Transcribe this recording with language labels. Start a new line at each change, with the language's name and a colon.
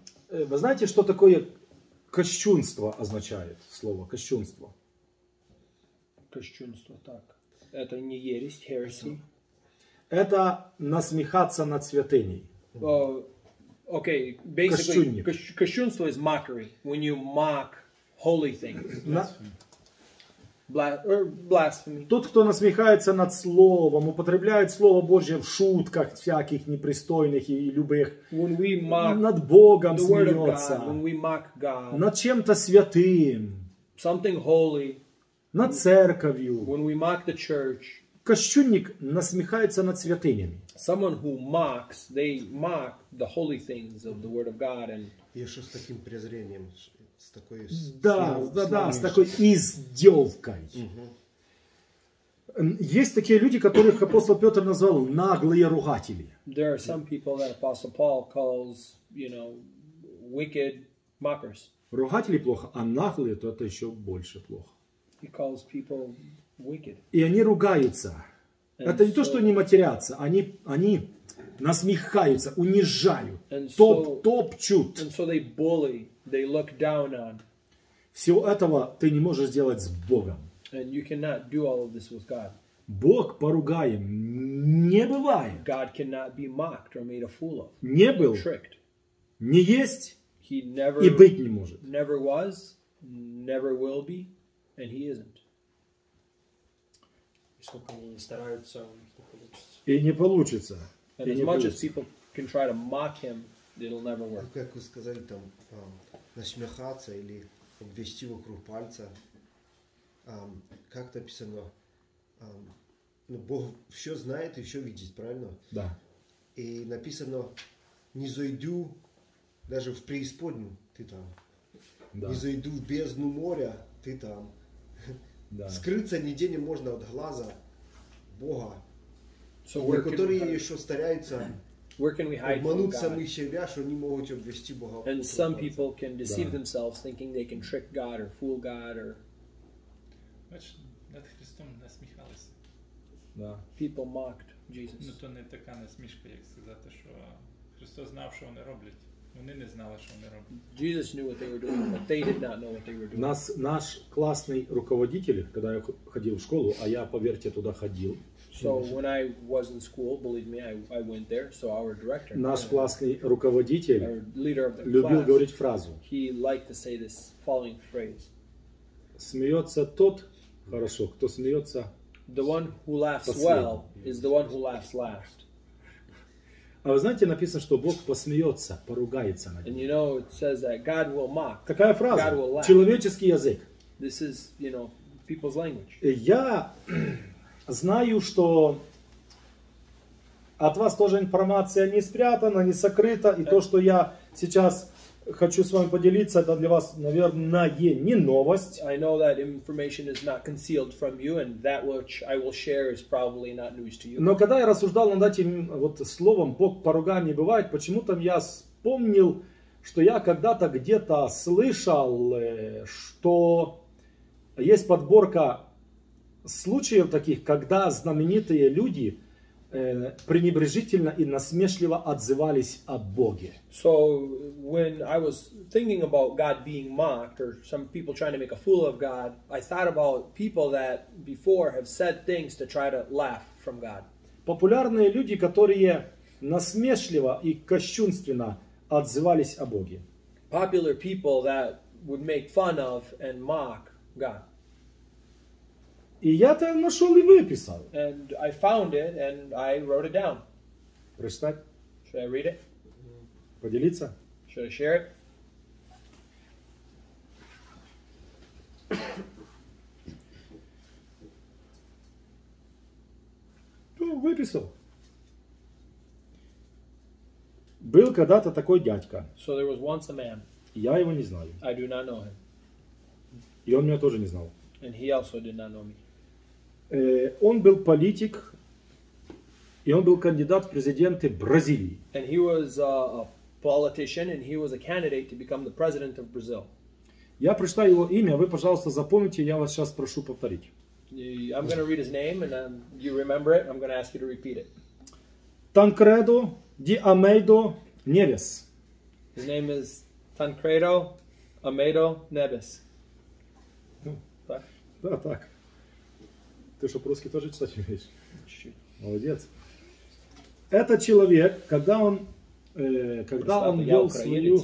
Russian: Вы знаете, что такое кощунство означает слово кощунство? Кощунство, так. Это не ересь, heresy. Это насмехаться над святыней.
English: Okay, basically, кощунство is mockery, when you mock holy things. Blasphemy.
Russian: Тот, кто насмехается над словом, употребляет слово Божье в шутках всяких непристойных и любых.
English: When we mock
Russian: над Богом
English: the word
Russian: смеется.
English: God, when we mock God,
Russian: над чем-то святым.
English: Something holy.
Russian: Над церковью.
English: When we mock the church.
Russian: Кощунник насмехается над святынями.
English: Someone who mocks, they mock the holy things of the Word of God and.
Russian: Еще с таким презрением, с такой. Да, с такой издевкой. Есть такие люди, которых апостол Петр назвал наглые ругатели.
English: There are some people that Apostle Paul calls, you know, wicked mockers.
Russian: Ругатели плохо, а наглые то это еще больше плохо.
English: He calls people wicked.
Russian: И они ругаются. Это не то, что они матерятся, они насмехаются, унижают, топчут.
English: And so they bully, they look down on.
Russian: Всего этого ты не можешь сделать с Богом.
English: And you cannot do all of this with God.
Russian: Бог поругаем не бывает.
English: God cannot be mocked or made a fool of.
Russian: Не был,
English: tricked.
Russian: Не есть
English: he never,
Russian: и быть не может.
English: Never was, never will be, and he isn't.
Russian: Сколько они стараются, у них не получится. И не получится.
English: And as much as people can try to mock him, it'll never work.
Russian: Как вы сказали, там, насмехаться или обвести вокруг пальца. Как-то писано, ну, Бог все знает и все видит, правильно? Да. И написано, не зайду даже в преисподнюю, ты там. Да. Не зайду в бездну моря, ты там. Да. Скрыться нигде не можно от глаза Бога.
English: So
Russian: некоторые еще стараются обмануть самих себя, что не могут обвести Бога.
English: And some people can deceive themselves, thinking they can trick God or fool God or.
Ukrainian: Бачите, над Христом насміхалися.
Russian: Да.
English: People mocked Jesus.
Ukrainian: Ну то не така насмішка, як сказати, що Христос знав, що вони роблять. Вони не знали, що вони роблять.
English: Jesus knew what they were doing, but they did not know what they were doing.
Ukrainian: Наш класний руководитель, коли я ходив в школу, а я, повірте, туди ходив.
English: So when I was in school, believe me, I went there. So our director,
Russian: наш классный руководитель,
English: our leader of the
Russian: любил
English: class,
Russian: говорить фразу.
English: He liked to say this following phrase.
Russian: Смеется тот хорошо, кто смеется.
English: The one who laughs well is the one who laughs last.
Russian: А вы знаете, написано, что Бог посмеется, поругается над ним.
English: And you know, it says that God will mock.
Russian: Такая фраза.
English: God will laugh.
Russian: Человеческий язык.
English: This is, you know, people's language.
Russian: Я знаю, что от вас тоже информация не спрятана, не сокрыта, и то, что я сейчас хочу с вами поделиться, это для вас, наверное, не новость.
English: I know that information is not concealed from you, and that which I will share is probably not news to you.
Russian: Но когда я рассуждал над этим вот словом «Бог поругание бывает», почему-то я вспомнил, что я когда-то где-то слышал, что есть подборка случаев таких, когда знаменитые люди пренебрежительно и насмешливо отзывались о Боге.
English: So when I was thinking about God being mocked or some people trying to make a fool of God, I thought about people that before have said things to try to laugh from God.
Russian: Популярные люди, которые насмешливо и кощунственно отзывались о Боге.
English: Popular people that would make fun of and mock God.
Russian: И я это нашел и выписал.
English: And I found it and I wrote it down.
Russian: Прочитать?
English: Should I read it?
Russian: Поделиться?
English: Should I share it?
Russian: Ну, выписал. Был когда-то такой дядька.
English: So there was once a man.
Russian: Я его не знаю.
English: I do not know him.
Russian: И он меня тоже не знал.
English: And he also did not know me.
Russian: Он был политик, и он был кандидат в президенты Бразилии.
English: And he was a politician, and he was a candidate to become the president of Brazil.
Russian: Я прочитаю его имя, вы, пожалуйста, запомните, я вас сейчас прошу повторить.
English: I'm going to read his name, and then you remember it, I'm going to ask you to repeat it. Tancredo de Almeida Neves. His name is Tancredo Almeida Neves.
Russian: Да, так. Ты что, по-русски тоже читать умеешь? Молодец. Этот человек, когда он вел свою...